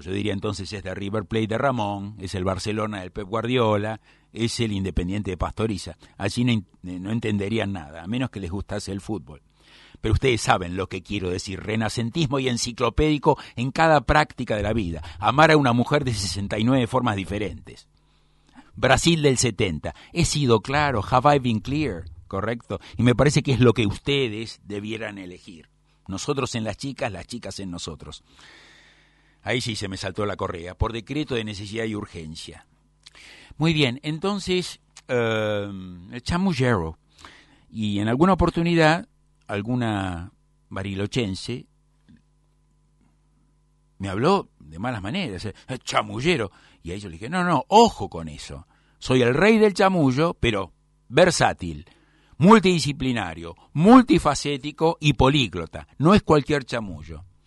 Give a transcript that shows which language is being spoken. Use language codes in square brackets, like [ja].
[es] Yo diría entonces es de River Plate de Ramón, es el Barcelona del Pep Guardiola, es el Independiente de Pastoriza. Allí no entenderían nada, a menos que les gustase el fútbol. Pero ustedes saben lo que quiero decir, renacentismo y enciclopédico en cada práctica de la vida. Amar a una mujer de 69 formas diferentes. Brasil del 70. He sido claro, [en] have I been clear, [es] correcto. Y me parece que es lo que ustedes debieran elegir. Nosotros en las chicas en nosotros. Ahí sí se me saltó la correa, por decreto de necesidad y urgencia. Muy bien, entonces, el chamullero. Y en alguna oportunidad, alguna barilochense me habló de malas maneras, chamullero, y ahí yo le dije, no, ojo con eso, soy el rey del chamullo, pero versátil, multidisciplinario, multifacético y políglota, no es cualquier chamullo.